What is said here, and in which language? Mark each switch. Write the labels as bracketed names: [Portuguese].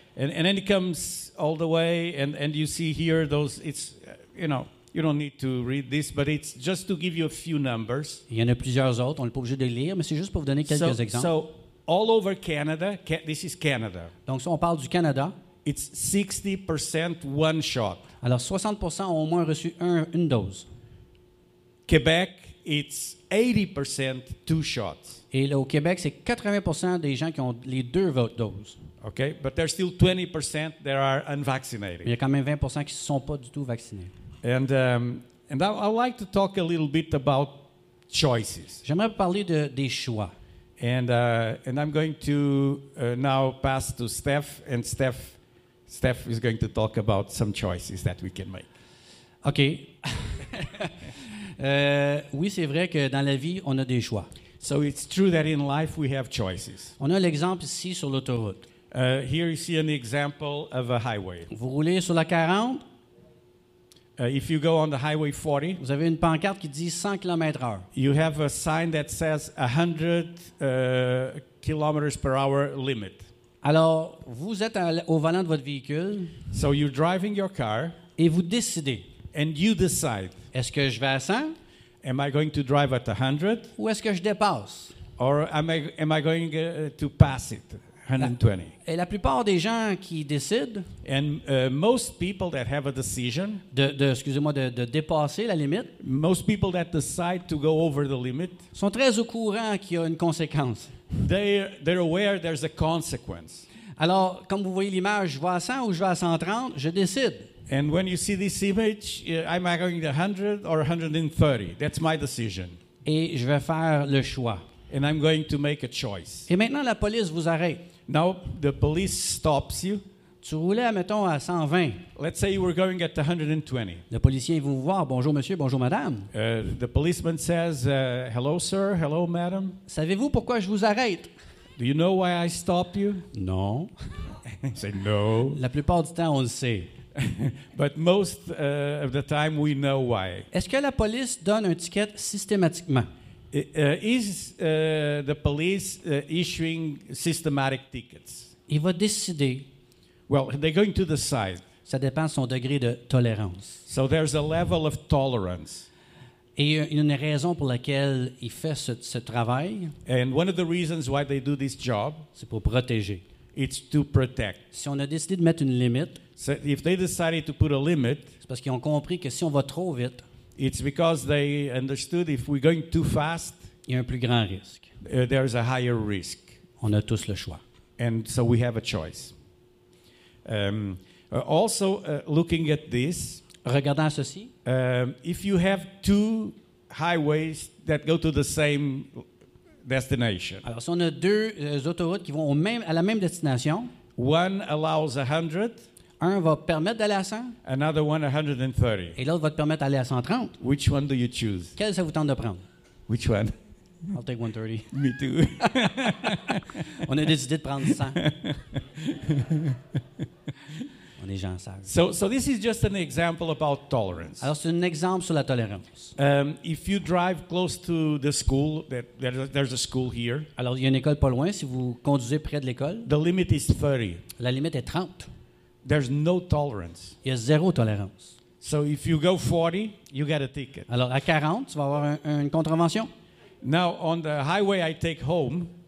[English] And then it comes all the way, and you see here those, it's, you know, you don't need to read this, but it's just to give you a few numbers. [French] Il y en a plusieurs autres, on n'est pas obligé de lire, mais c'est juste pour vous donner quelques exemples. [English] So, all over Canada, this is Canada. [French] Donc, si on parle du Canada. [English] It's 60% one shot. [French] Alors, 60% ont au moins reçu une dose. [English] Québec, it's 80% two shots. [French] Et là, au Québec, c'est 80% des gens qui ont les deux doses. [English] Okay, but there's still 20% that are unvaccinated. [French] Il y a quand même 20% qui ne sont pas du tout vaccinés. [English] And I like to talk a little bit about choices. [French] J'aimerais parler des choix. [English] And I'm going to now pass to Steph, and Steph is going to talk about some choices that we can make. Okay. [French] Oui, c'est vrai que dans la vie, on a des choix. [English] So it's true that in life we have choices. [French] On a l'exemple ici sur l'autoroute. [English] Here you see an example of a highway. [French] Vous roulez sur la 40? [English] If you go on the highway 40, [French] vous avez une pancarte qui dit 100 km/h. [English] You have a sign that says 100 kilometers per hour limit. [French] Alors, vous êtes au volant de votre véhicule. [English] So you're driving your car. [French] Et vous décidez. [English] And you decide. [French] Est-ce que je vais à 100? [English] Am I going to drive at 100? [French] Ou est-ce que je dépasse? [English] Or am I going to pass it, 120? [French] Et la plupart des gens qui décident. [English] And most people that have a decision. [French] De dépasser la limite. [English] Most people that decide to go over the limit. [French] Sont très au courant qu'il y a une conséquence. [English] They're aware there's a consequence. [French] Alors, comme vous voyez l'image, je vais à 100 ou je vais à 130, je décide. [English] And when you see this image, am I going to 100 or 130? That's my decision. [French] Et je vais faire le choix. [English] And I'm going to make a choice. [French] Et maintenant, la police vous arrête. [English] Now, the police stops you. [French] Tu roulais, mettons, à 120. [English] Let's say you were going at 120. [French] Le policier vous voit. Bonjour, monsieur. Bonjour, madame. [English] The policeman says, hello, sir. Hello, madam. [French] Savez-vous pourquoi je vous arrête? [English] Do you know why I stop you? [French] Non. [English] I say, no. [French] La plupart du temps, on le sait. [English] But most of the time, we know why. [French] Est-ce que la police donne un ticket systématiquement? [English] Is the police issuing systematic tickets? [French] Il va décider. [English] Well, they're going to decide. [French] Ça dépend de son degré de tolérance. [English] So there's a level of tolerance. [French] Et il y a une raison pour laquelle il fait ce travail. [English] And one of the reasons why they do this job. [French] C'est pour protéger. [English] It's to protect. [French] Si on a décidé de mettre une limite, [English] so if they decided to put a limit, [French] c'est parce qu'ils ont compris que si on va trop vite, [English] it's because they understood if we're going too fast, [French] il y a un plus grand risque. [English] There is a higher risk. [French] On a tous le choix. [English] And so we have a choice. Also, looking at this, [French] regardant ceci, [English] if you have two highways that go to the same destination. [French] Alors, si on a deux autoroutes qui vont à la même destination, [English] one allows 100, [French] un va permettre d'aller à 100, [English] another one 130, [French] et l'autre va te permettre d'aller à 130. [English] Which one do you choose? [French] Quel ça vous tente de prendre? [English] Which one? I'll take 130. Me too. [French] On a décidé de prendre 100. On les gens savent. [English] So this is just an example about tolerance. [French] Alors c'est un exemple sur la tolérance. [English] If you drive close to the school, there's a school here. [French] Alors il y a une école pas loin si vous conduisez près de l'école. [English] The limit is 30. [French] La limite est 30. [English] There's no tolerance. [French] Il y a zéro tolérance. [English] So if you go 40, you get a ticket. [French] Alors à 40, tu vas avoir une contravention. [English] Now on the highway I take home.